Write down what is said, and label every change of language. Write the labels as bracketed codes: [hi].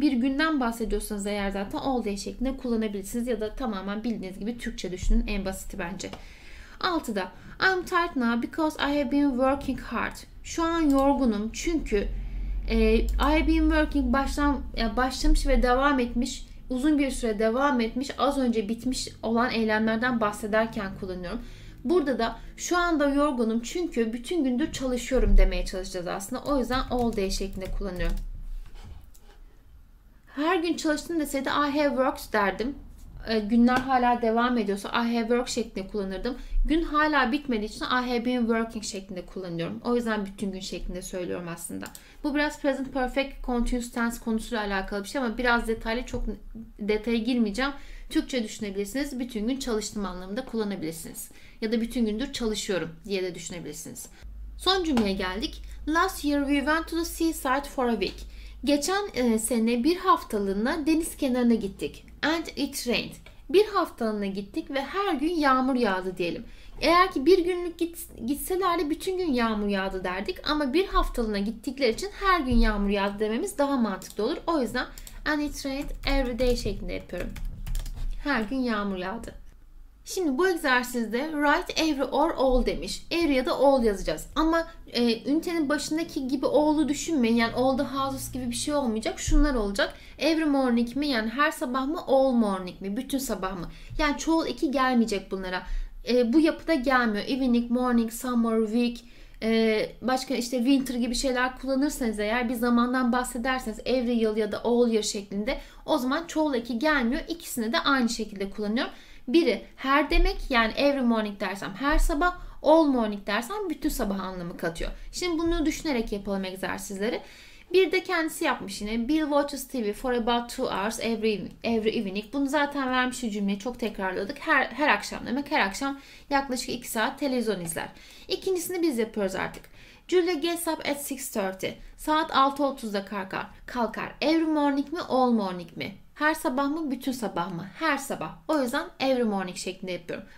[tr] Bir günden bahsediyorsanız eğer zaten [en] all day [tr] şeklinde kullanabilirsiniz. Ya da tamamen bildiğiniz gibi Türkçe düşünün. En basiti bence. 6'da. [en] I'm tired now because I have been working hard. [tr] Şu an yorgunum çünkü [en] I've been working [tr] başlamış ve devam etmiş, uzun bir süre devam etmiş, az önce bitmiş olan eylemlerden bahsederken kullanıyorum. Burada da şu anda yorgunum çünkü bütün gündür çalışıyorum demeye çalışacağız aslında. O yüzden [en] all day [tr] şeklinde kullanıyorum. Her gün çalıştım deseydi [en] I have worked [tr] derdim. Günler hala devam ediyorsa I have worked şeklinde kullanırdım. Gün hala bitmediği için [en] I have been working [tr] şeklinde kullanıyorum. O yüzden bütün gün şeklinde söylüyorum aslında. Bu biraz present perfect continuous tense konusuyla alakalı bir şey ama biraz detaylı, çok detaya girmeyeceğim. Türkçe düşünebilirsiniz. Bütün gün çalıştım anlamında kullanabilirsiniz. Ya da bütün gündür çalışıyorum diye de düşünebilirsiniz. Son cümleye geldik. [en] Last year we went to the seaside for a week. [tr] Geçen sene bir haftalığına deniz kenarına gittik. [en] And it rained. [tr] Bir haftalığına gittik ve her gün yağmur yağdı diyelim. Eğer ki bir günlük gitselerdi bütün gün yağmur yağdı derdik. Ama bir haftalığına gittikleri için her gün yağmur yağdı dememiz daha mantıklı olur. O yüzden [en] and it rained every day [tr] şeklinde yapıyorum. Her gün yağmur yağdı. Şimdi bu egzersizde [en] write every or all [tr] demiş. Every ya da all yazacağız. Ama ünitenin başındaki gibi all'u düşünmeyin. Yani [en] all the houses [tr] gibi bir şey olmayacak. Şunlar olacak. [en] Every morning [tr] mi? Yani her sabah mı? [en] All morning [tr] mi? Bütün sabah mı? Yani çoğul iki gelmeyecek bunlara. Bu yapıda gelmiyor. Evening, morning, summer, week. Başka işte winter gibi şeyler kullanırsanız eğer bir zamandan bahsederseniz every yıl ya da [en] all year [tr] şeklinde o zaman çoğul iki gelmiyor. İkisini de aynı şekilde kullanıyorum. Biri her demek yani [en] every morning [tr] dersem her sabah, [en] all morning [tr] dersem bütün sabah anlamı katıyor. Şimdi bunu düşünerek yapalım egzersizleri. Bir de kendisi yapmış yine. [en] Bill watches TV for about 2 hours every evening. [tr] Bunu zaten vermiş cümleyi çok tekrarladık. Her akşam demek her akşam yaklaşık 2 saat televizyon izler. İkincisini biz yapıyoruz artık. [en] Julia gets up at 6:30. [tr] Saat 6:30'da kalkar. [en] Every morning [tr] mi, [en] all morning [tr] mi? Her sabah mı, bütün sabah mı? Her sabah. O yüzden [en] every morning [tr] şeklinde yapıyorum.